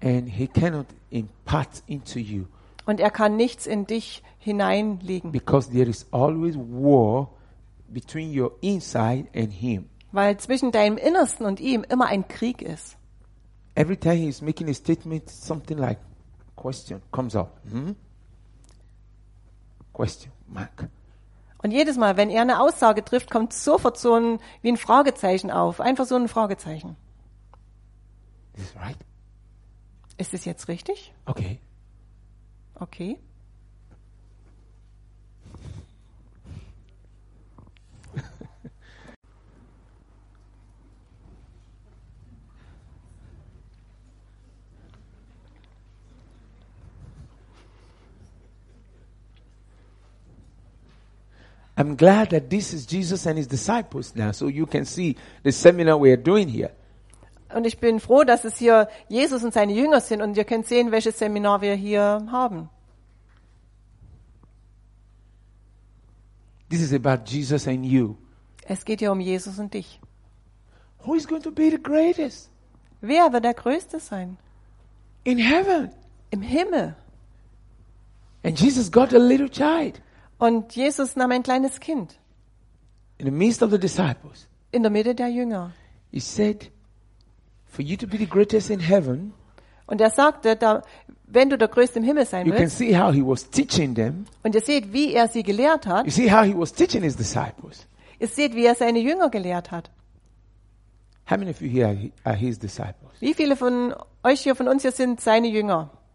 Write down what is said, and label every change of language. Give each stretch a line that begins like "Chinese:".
English: And he cannot impart into you.
German: Und er kann nichts in dich hineinlegen.
English: Because there is always war between your inside and him.
German: Weil zwischen deinem Innersten und ihm immer ein Krieg ist.
English: Every time he is making a statement, something like question comes up. Question mark.
German: Und jedes Mal, wenn er eine Aussage trifft, kommt sofort so ein wie ein Fragezeichen auf. Einfach so ein Fragezeichen.
English: Is it right?
German: Ist es jetzt richtig? Okay. Okay.
English: I'm glad that this is Jesus and his disciples now, so you can see the seminar we are doing here.
German: Und ich bin froh, dass es hier Jesus und seine Jünger sind und ihr könnt sehen, welches Seminar wir hier haben.
English: This is about Jesus and you.
German: Es geht hier um Jesus und dich.
English: Who is going to be the greatest?
German: Wer wird der Größte sein?
English: In heaven.
German: Im Himmel.
English: And Jesus got a little child.
German: Und Jesus nahm ein kleines Kind.
English: In the midst of the disciples.
German: In der Mitte der Jünger.
English: He said, "For you to be the greatest in heaven."
German: Und er sagte, da, wenn du der Größte im Himmel sein
English: you
German: willst.
English: You can see how he was teaching them.
German: Und ihr seht, wie er sie gelehrt hat.
English: You see how he was teaching his disciples.
German: Ihr seht, wie er seine Jünger gelehrt hat.
English: How many of you here are his disciples?
German: Wie viele von euch hier, von uns hier, sind seine Jünger?